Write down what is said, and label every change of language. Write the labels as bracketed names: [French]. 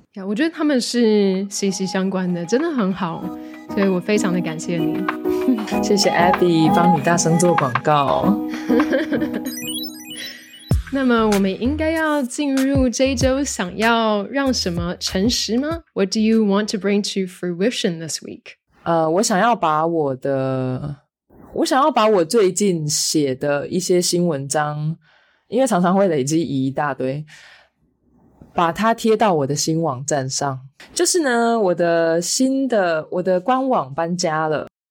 [Chinese] 我觉得他们是息息相关的，真的很好，所以我非常的感谢你。谢谢 Abby 帮女大生做广告。那么我们应该要进入这一周想要让什么诚实吗？ [English] What do you want to bring to fruition this week? [Chinese] 我想要把我最近写的一些新文章，因为常常会累积一大堆，把它贴到我的新网站上。就是呢，我的官网搬家了。